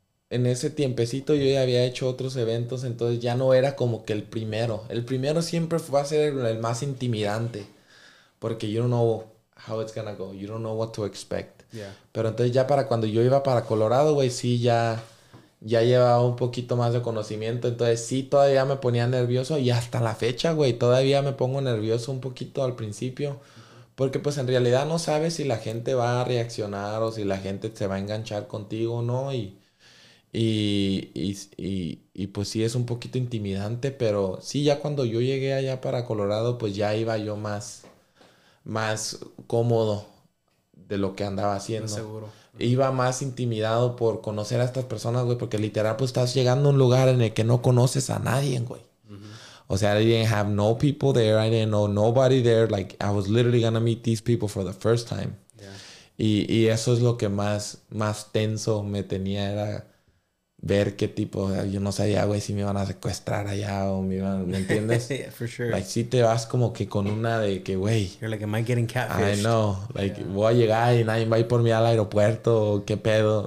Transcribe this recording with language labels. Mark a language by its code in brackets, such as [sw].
[es] En ese tiempecito yo ya había hecho otros eventos, entonces ya no era como que el primero. El primero siempre va a ser el más intimidante. [en] Porque you don't know how it's gonna go. You don't know what to expect. Yeah. [es] Pero entonces ya para cuando yo iba para Colorado, güey, sí ya llevaba un poquito más de conocimiento. Entonces sí todavía me ponía nervioso. Y hasta la fecha, güey, todavía me pongo nervioso un poquito al principio. Porque pues en realidad no sabes si la gente va a reaccionar o si la gente se va a enganchar contigo o no. Y pues sí es un poquito intimidante. Pero sí, ya cuando yo llegué allá para Colorado, pues ya iba yo más cómodo de lo que andaba haciendo. Seguro. Iba más intimidado por conocer a estas personas, güey, porque literal, pues, estás llegando a un lugar en el que no conoces a nadie, güey. Uh-huh. O sea, [en] I didn't have no people there. I didn't know nobody there. Like, I was literally gonna meet these people for the first time. Yeah. [es] Y eso es lo que más tenso me tenía, era ver qué tipo, yo no sabía, güey, si me iban a secuestrar allá o me iban, ¿me entiendes? [en] Yeah, for sure. [es] Like, si te vas como que con una de que, güey. [en] You're like, am I getting catfished? I know. Like, yeah. [es] Voy a llegar y nadie va a ir por mí al aeropuerto, ¿qué pedo?